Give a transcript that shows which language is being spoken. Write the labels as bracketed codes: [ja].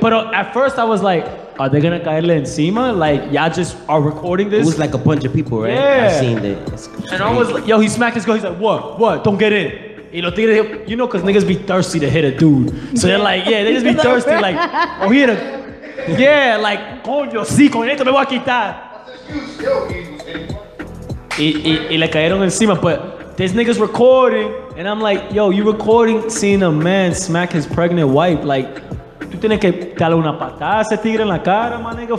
[en] But at first, I was like, are they gonna [es] caerle encima? [en] Like, y'all just are recording this? It was like a bunch of people, right? Yeah. I seen it. And I was like, yo, he smacked his girl. He's like, what? Don't get in. You know, because niggas be thirsty to hit a dude. So they're like, yeah, they just be thirsty. Like, oh, he hit a... Yeah, like, [es] coño, sí, con esto me voy a quitar. Y le cayeron encima. [en] But this nigga's recording. And I'm like, yo, you recording seeing a man smack his pregnant wife. Like, [es] tú tienes que darle una patada a ese tigre en la cara, [en] my nigga.